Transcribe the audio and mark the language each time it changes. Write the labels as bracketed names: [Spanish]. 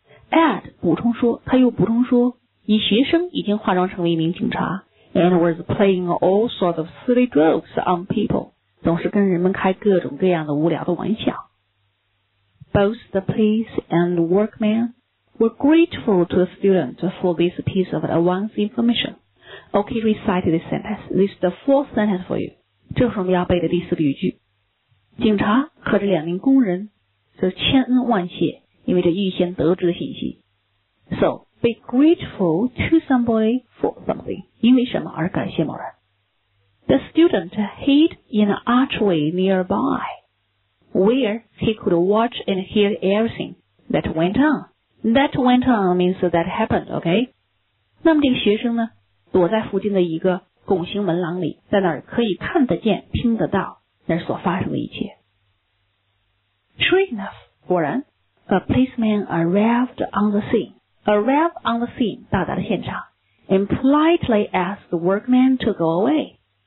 [Chinese] Add 补充说，他又补充说，一学生已经化妆成为一名警察， [English] And was playing all sorts of silly jokes on people， [Chinese] 总是跟人们开各种各样的无聊的玩笑。 [English] Both the police and the workmen were grateful to the student for this piece of advance information. Okay, recite this sentence. This is the fourth sentence for you. [Chinese] 这是我们要背的第四个语句。警察和这两名工人是千恩万谢，因为这预先得知的信息。 [English] So, be grateful to somebody for something. [Chinese] 因为什么而感谢某人。 [English] The student hid in an archway nearby. Where he could watch and hear everything that went on. That went on means that happened, okay? [Chinese] 那么这个学生呢，躲在附近的一个拱形门廊里，在那儿可以看得见、听得到那所发生的一切。 [English] Sure enough, [Chinese] 果然 [English] a policeman arrived on the scene. Arrived on the scene, [Chinese] 到达了现场 [English] and politely asked the workman to go away.